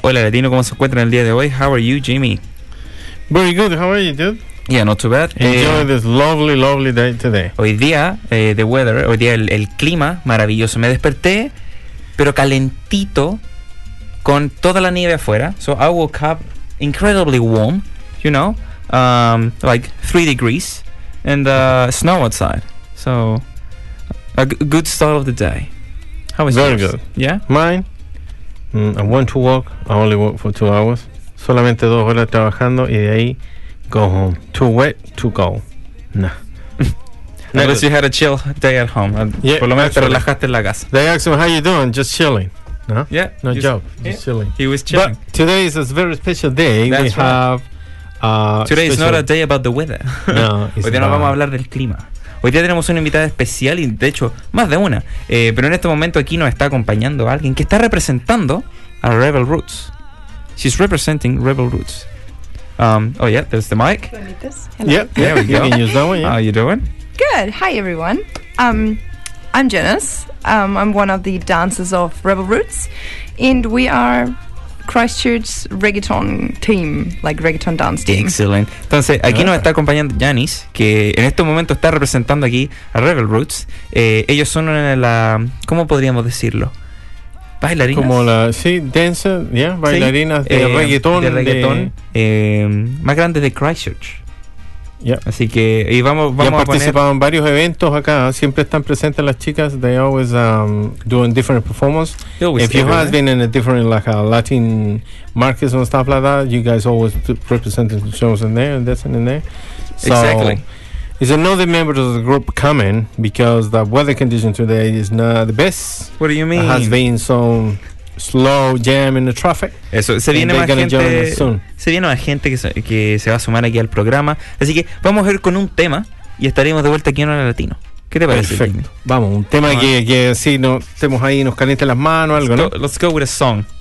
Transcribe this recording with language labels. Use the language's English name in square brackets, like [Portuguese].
[Spanish] Hola Latino, ¿cómo se encuentran el día de hoy? [English] How are you, Jimmy? Very good, how are you, dude? Yeah, not too bad. Enjoy this lovely, lovely day today. [Spanish] Hoy día, [English] the weather, [Spanish] hoy día el clima, maravilloso. Me desperté, pero calentito, con toda la nieve afuera. [English] So I woke up incredibly warm, you know, like 3 degrees, and snow outside. So, a good start of the day. How was yours? Very good. Yeah? Mine? I went to work. I only worked for 2 hours. [Spanish] Solamente 2 horas trabajando y de ahí, [English] go home. Too wet, too cold. Nah. At least you had a chill day at home. Yeah, [Spanish] por lo menos actually, te relajaste en la casa. [English] They asked me, how you doing? Just chilling. No? Yeah. No joke. Just chilling. He was chilling. But today is a very special day. That's we right. have... today is not a day about the weather. No. [Spanish] Hoy día no vamos a hablar del clima. Hoy día tenemos una invitada especial y, de hecho, más de una. Pero en este momento aquí nos está acompañando alguien que está representando a Rebel Roots. [English] She's representing Rebel Roots. Oh, yeah, there's the mic. Hello. Yeah, there we go. You can use that one, yeah. How you doing? Good. Hi, everyone. I'm Janice. I'm one of the dancers of Rebel Roots. And we are Christchurch's reggaeton team, like reggaeton dance team. Excellent. [Spanish] Entonces, aquí nos está acompañando Janice, que en este momento está representando aquí a Rebel Roots. Ellos son una, la, ¿cómo podríamos decirlo? Bailarinas. Como la, sí, dancer, yeah, bailarinas sí. De reggaeton. Más grandes de Christchurch. Yeah. Así que, y vamos y a poner... Y han participado en varios eventos acá. Siempre están presentes las chicas. [English] They always doing different performances. If you have been in a different, like, a Latin markets and stuff like that, you guys always representing the shows in there and dancing in there. So, exactly. It's another member of the group coming because the weather condition today is not the best. What do you mean? It has been some... Slow jam in the traffic. [Spanish] Eso, se viene más gente. Se viene más gente que se va a sumar aquí al programa. Así que vamos a ir con un tema y estaremos de vuelta aquí en Hola Latino. ¿Qué te parece? Perfecto. Jimmy? Vamos, un tema que así nos estemos ahí, nos caliente las manos, algo, [English] let's [Spanish] ¿no? [English] Let's go with a song.